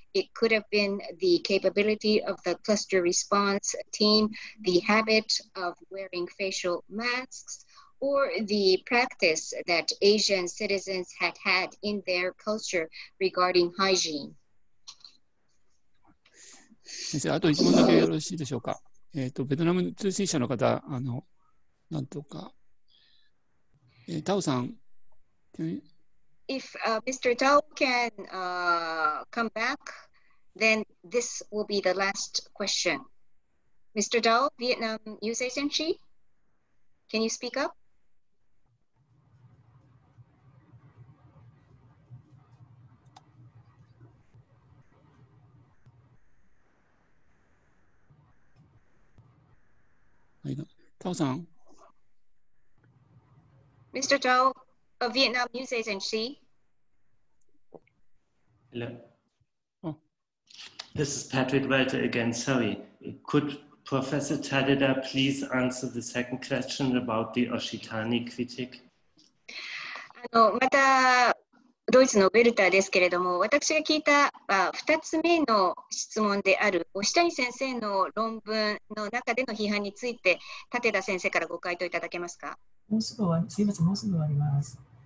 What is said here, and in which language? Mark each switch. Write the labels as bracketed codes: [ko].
[en] It could have been the capability of the cluster response team, the habit of wearing facial masks, or the practice that Asian citizens had had in their culture regarding hygiene. [ja] 先生、あと1問だけよろしいでしょうか。ベトナム通信社の方、なんとか、タオさん。 [en] If Mr. Tao can come back, then this will be the last question. Mr. Tao, Vietnam News Agency, can you speak up? Tao san. Mr. Tao of Vietnam News Agency. Hello.、Oh. This is Patrick Walter again. Sorry. Could Professor Tateda please answer the second question about the Oshitani critic? [ja] またドイツのベルターですけれども、私が聞いた2つ目の質問である押谷先生の論文の中での批判について、舘田先生からご回答いただけますか。もうすぐ、すいません、もうすぐ終わります。